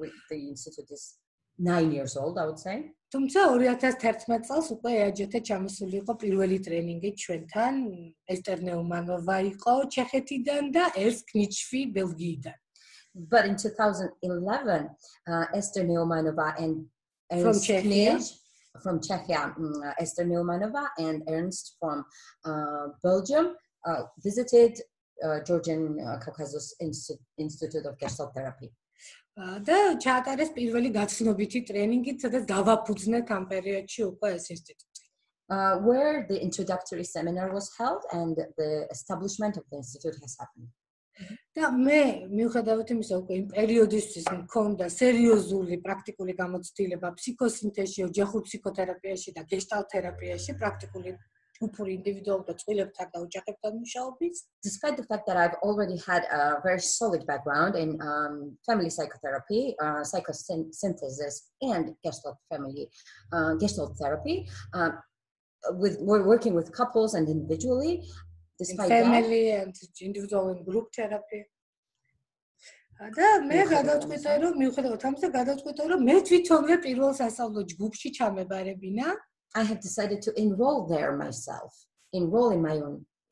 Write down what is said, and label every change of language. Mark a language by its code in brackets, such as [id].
[en] The institute is 9 years old, I would say. [ka] თუმცა 2011 წელს უკვე AJT ჩამოსული იყო პირველი ტრენინგი ჩვენთან. ესტერ ნეუმანოვა იყო ჩეხეთიდან და ერს კნიჩვი ბელგიიდან. [en] But in 2011, Esther Neumanova and Ernst Knich from Czechia, Esther Neumanova and Ernst from Belgium visited Georgian Caucasus Institute of Gestalt Therapy. [ka] Да, ჩაატარეს პირველი გაცნობიტი ტრენინგი, სადაც დავაფუძნეთ ამ პერიოდში უკვე ეს ინსტიტუტი. [en] Where the introductory seminar was held and the establishment of the institute has happened. [ka] Да, მე მიუხედავად იმისა, უკვე იმ პერიოდისთვის მქონდა სერიოზული პრაქტიკული გამოცდილება ფსიქოსინთეზში, ოჯახურ ფსიქოთერაპიაში და Gestalt თერაპიაში, პრაქტიკული [en] for individual [ka] და წილებთან და ოჯახებთან მუშაობის. [en] Despite the fact that I've already had a very solid background in family psychotherapy, psychosynthesis and Gestalt family Gestalt therapy with working with couples and individually, despite in family that, and individual and group therapy. [ka] Да, მე გადავწყვიტე, რომ მიუხედავად ამისა, გადავწყვიტე, რომ მე თვითონვე პირველ სასწავლო ჯგუფში ჩამებარებინა. [en] I have decided to enroll there myself, enroll in my own